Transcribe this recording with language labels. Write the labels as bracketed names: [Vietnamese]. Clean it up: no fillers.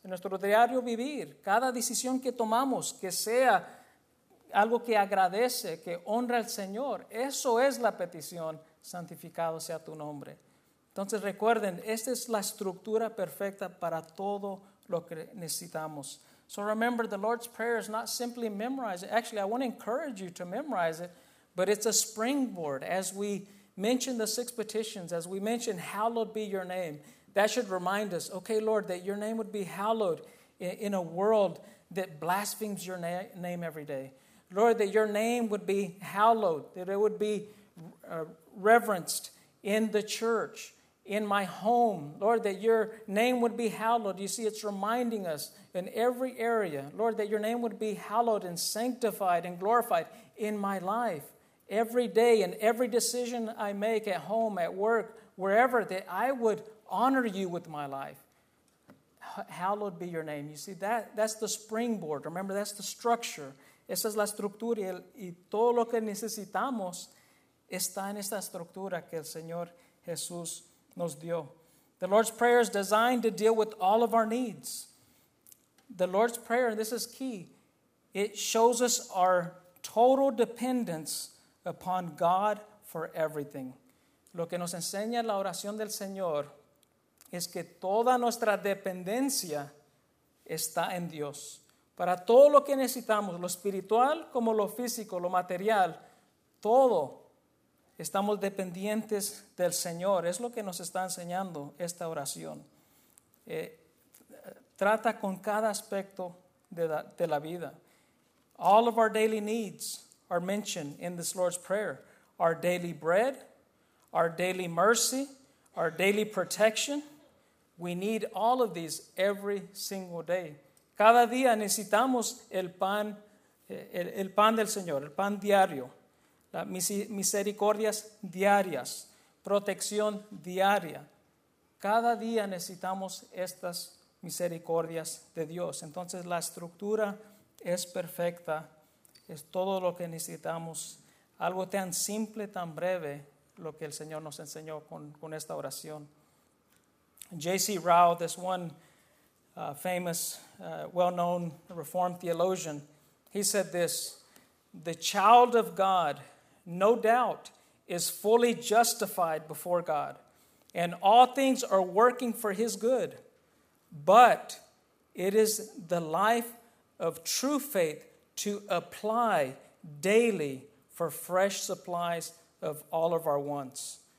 [Spanish] En nuestro diario vivir. Cada decisión que tomamos que sea algo que agradece, que honra al Señor. Eso es la petición, santificado sea tu nombre. Entonces recuerden, esta es la estructura perfecta para todo lo que necesitamos. [English] So remember, the Lord's Prayer is not simply memorized. Actually, I want to encourage you to memorize it, but it's a springboard. As we mention the six petitions, as we mention hallowed be your name, that should remind us, okay, Lord, that your name would be hallowed in a world that blasphemes your name every day. Lord, that your name would be hallowed, that it would be reverenced in the church, in my home. Lord, that your name would be hallowed. You see, it's reminding us in every area. Lord, that your name would be hallowed and sanctified and glorified in my life. Every day and every decision I make at home, at work, wherever, that I would honor you with my life. Hallowed be your name. You see, that's the springboard. Remember, that's the structure. [Spanish] Esa es la estructura y todo lo que necesitamos está en esta estructura que el Señor Jesús nos dio. [English] The Lord's Prayer is designed to deal with all of our needs. The Lord's Prayer, and this is key, it shows us our total dependence upon God for everything. [Spanish] Lo que nos enseña la oración del Señor es que toda nuestra dependencia está en Dios. Para todo lo que necesitamos, lo espiritual como lo físico, lo material, todo estamos dependientes del Señor. Es lo que nos está enseñando esta oración. Trata con cada aspecto de la vida. [English] All of our daily needs are mentioned in this Lord's Prayer. Our daily bread, our daily mercy, our daily protection. We need all of these every single day. [Spanish] Cada día necesitamos el pan del Señor, el pan diario, las misericordias diarias, protección diaria. Cada día necesitamos estas misericordias de Dios. Entonces la estructura es perfecta, es todo lo que necesitamos. Algo tan simple, tan breve, lo que el Señor nos enseñó con esta oración. [English] J.C. Rao, this one, famous, well-known Reformed theologian, he said this: the child of God, no doubt, is fully justified before God, and all things are working for his good, but it is the life of true faith to apply daily for fresh supplies of all of our wants.